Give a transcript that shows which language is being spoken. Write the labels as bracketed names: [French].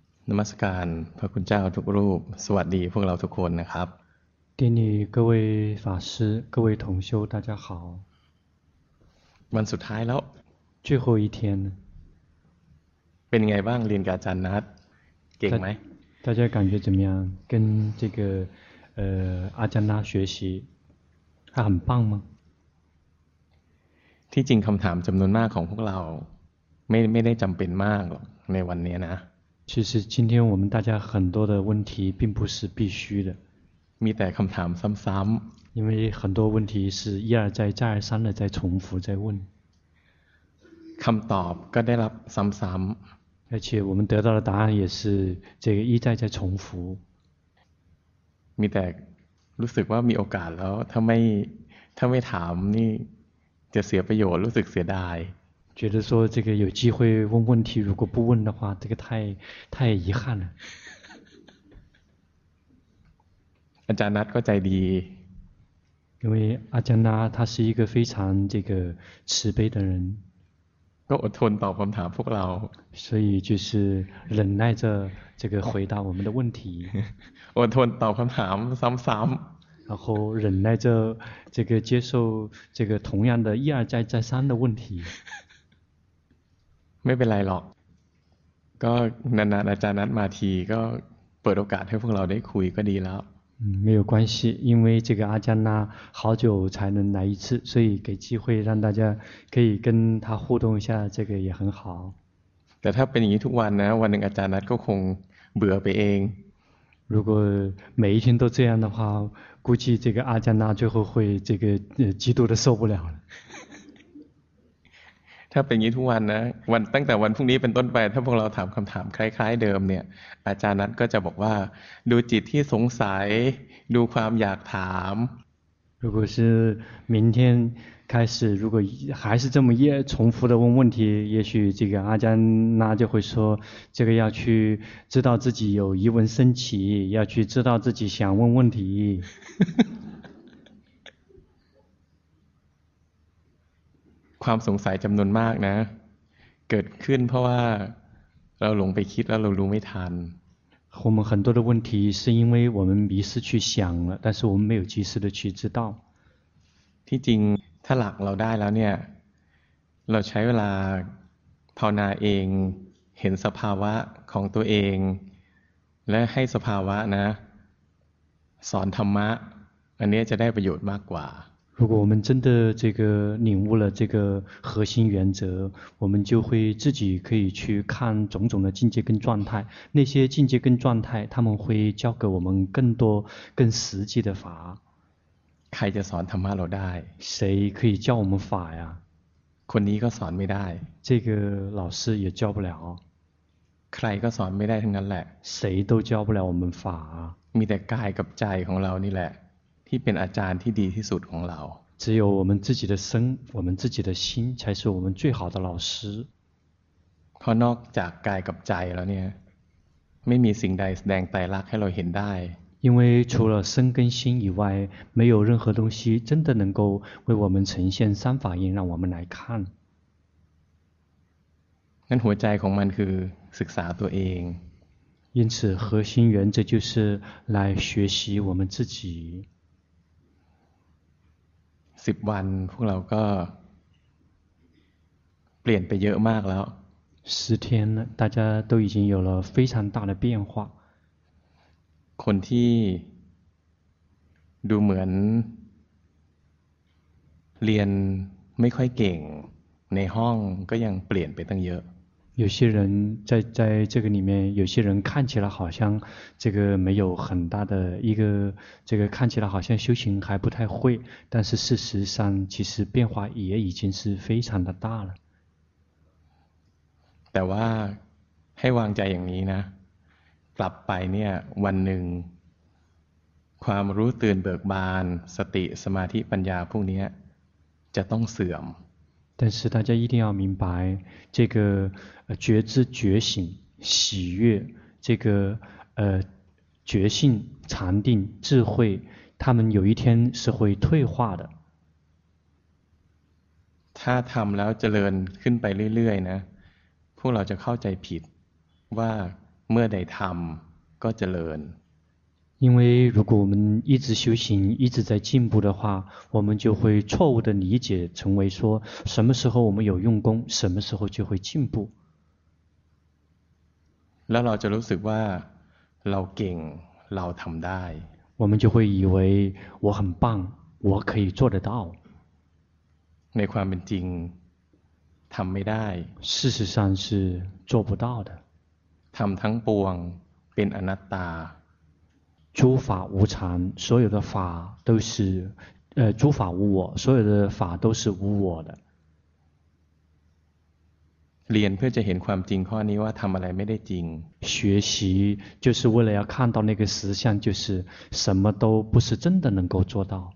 [Thai] นมัสการพระคุณเจ้าทุกรูปสวัสดีพวกเราทุกคนนะครับ ที่นี่ [Chinese] 各位法师各位同修大家好 [Thai] วันสุดท้ายแล้ว [Chinese] 最后一天 [Thai] เป็นไงบ้างเรียนกับอาจารย์นัทเก่งไหม [Chinese] 大家感觉怎么样跟这个阿姜拉学习还很棒吗 [Thai] ที่จริงคำถามจำนวนมากของพวกเราไม่ได้จำเป็นมากหรอกในวันนี้นะ [Chinese] 其实今天我们大家很多的问题并不是必须的 [Thai] มีแต่คำถามซ้ำ [Chinese] ๆ因为很多问题是一而再再而三的在重复在问 [Thai] คำตอบก็ได้รับซ้ำ [Chinese] ๆ而且我们得到的答案也是这个一再再重复 [Thai] มีแต่รู้สึกว่ามีโอกาสแล้วถ้าไม่ถามนี่จะเสียประโยชน์รู้สึกเสียดาย [Chinese] 觉得说这个有机会问问题如果不问的话这个太遗憾了 [Thai] อาจารย์นัทก็ใจดี [Chinese] 因为阿姜拉他是一个非常这个慈悲的人 [Thai] ก็อดทนตอบคำถามพวกเรา [Chinese] 所以就是忍耐着这个回答我们的问题 [Thai] อดทนตอบคำถามซ้ำๆ [Chinese] 然后忍耐着这个接受这个同样的一而再再三的问题 [Thai] ไม่เป็นไรหรอกก็นานๆอาจารย์นัดมาทีก็เปิดโอกาสให้พวกเราได้คุยก็ดีแล้ว [Chinese] 没有关系因为这个阿姜拉好久才能来一次所以给机会让大家可以跟他互动一下这个也很好 [Thai] แต่ถ้าเป็นอย่างนี้ทุกวันนะวันหนึ่งอาจารย์นัดก็คงเบื่อไปเอง [Chinese] 如果每一天都这样的话估计这个阿姜拉最后会这个极度的受不了了 [Thai] ถ้าเป็นอย่างนี้ทุกวันนะวันตั้งแต่วันพรุ่งนี้เป็นต้นไปถ้าพวกเราถามคำถามคล้ายๆเดิมเนี่ยอาจารย์นัทก็จะบอกว่าดูจิตที่สงสัยดูความอยากถาม [Chinese] 如果是明天开始如果还是这么一重复的问问题也许这个阿姜拉就会说这个要去知道自己有疑问升起要去知道自己想问问题 [Thai] ความสงสัยจำนวนมากนะเกิดขึ้นเพราะว่าเราหลงไปคิดแล้วเรารู้ไม่ทัน [Chinese] 我们很多的问题是因为我们迷失去想了但是我们没有及时的去知道 [Thai] ที่จริงถ้าหลักเราได้แล้วเนี่ยเราใช้เวลาภาวนาเองเห็นสภาวะของตัวเองและให้สภาวะนะสอนธรรมะอันนี้จะได้ประโยชน์มากกว่า [Chinese] 如果我们真的这个领悟了这个核心原则我们就会自己可以去看种种的境界跟状态那些境界跟状态他们会教给我们更多更实际的法 [Thai] ใครจะสอนธรรมะเราได้ [Chinese] 谁可以教我们法呀 [Thai] คนนี้ก็สอนไม่ได้ [Chinese] 这个老师也教不了 [Thai] ใครก็สอนไม่ได้ทั้งนั้นแหละ [Chinese] 谁都教不了我们法 [Thai] มีแต่กายกับใจของเรานี่แหละที่เป็นอาจารย์ที่ดีที่สุดของเรา [Chinese] 只有我们自己的身我们自己的心才是我们最好的老师 [Thai] พอนอกจากกายกับใจแล้วเนี่ยไม่มีสิ่งใดแสดงไตรลักษณ์ให้เราเห็นได้ [Chinese] 因为除了身跟心以外没有任何东西真的能够为我们呈现三法印让我们来看 [Thai] นั้นหัวใจของมันคือศึกษาตัวเอง [Chinese] 因此核心原则就是来学习我们自己 [Thai] สิบวันพวกเราก็เปลี่ยนไปเยอะมากแล้ว [Chinese] 十天大家都已经有了非常大的变化 [Thai] คนที่ดูเหมือนเรียนไม่ค่อยเก่งในห้องก็ยังเปลี่ยนไปตั้งเยอะ [Chinese] 有些人在这个里面有些人看起来好像这个没有很大的一个这个看起来好像修行还不太会但是事实上其实变化也已经是非常的大了 [Thai] แต่ว่าให้วางใจอย่างนี้นะกลับไปเนี่ยวันหนึ่งความรู้ตื่นเบิกบานสติสมาธิปัญญาพวกนี้จะต้องเสื่อม แต่ [Chinese] 是大家一定要明白这个觉知觉醒喜悦这个觉性禅定智慧他们有一天是会退化的 [Thai] ถ้าทำแล้วเจริญขึ้นไปเรื่อยๆนะพวกเราจะเข้าใจผิดว่า เมื่อใดทำก็เจริญ [Chinese] 因为如果我们一直修行一直在进步的话我们就会错误的理解成为说什么时候我们有用功什么时候就会进步 [Thai] แล้วเราจะรู้สึกว่าเราเก่งเราทำได้ [Chinese] 我们就会以为我很棒我可以做得到 [Thai] ในความเป็นจริงทำไม่ได้ [Chinese] 事实上是做不到的 [Thai] ทำทั้งปวงเป็นอนัตตา [Chinese] 诸法无常所有的法都是诸法无我所有的法都是无我的 [Thai] เรียนเพื่อจะเห็นความจริงข้อนี้ว่าทำอะไรไม่ได้จริง [Chinese] 学习就是为了要看到那个实相就是什么都不是真的能够做到